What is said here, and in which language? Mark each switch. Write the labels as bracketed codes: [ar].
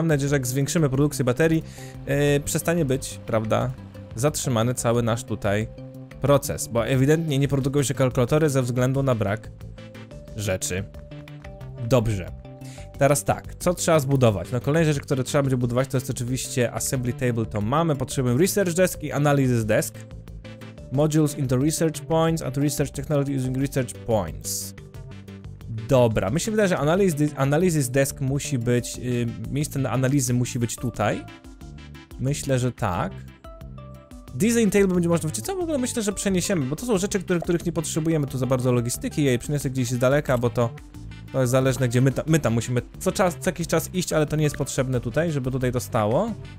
[pl] Mam nadzieję, że jak zwiększymy produkcję baterii, przestanie być, prawda, zatrzymany cały nasz tutaj proces. Bo ewidentnie nie produkują się kalkulatory ze względu na brak rzeczy. Dobrze. Teraz tak, co trzeba zbudować? No kolejne rzeczy, które trzeba będzie budować, to jest oczywiście assembly table, to mamy. Potrzebujemy research desk i analysis desk. [en] Modules into research points and research technology using research points. [pl] Dobra, mi się wydaje, że analysis desk musi być, miejsce na analizy musi być tutaj. Myślę, że tak. Design table będzie można, wiecie co, w ogóle myślę, że przeniesiemy, bo to są rzeczy, których nie potrzebujemy tu za bardzo logistyki. Ja je przyniosę gdzieś z daleka, bo to... To jest zależne, gdzie my tam musimy co jakiś czas iść, ale to nie jest potrzebne tutaj, żeby tutaj to stało.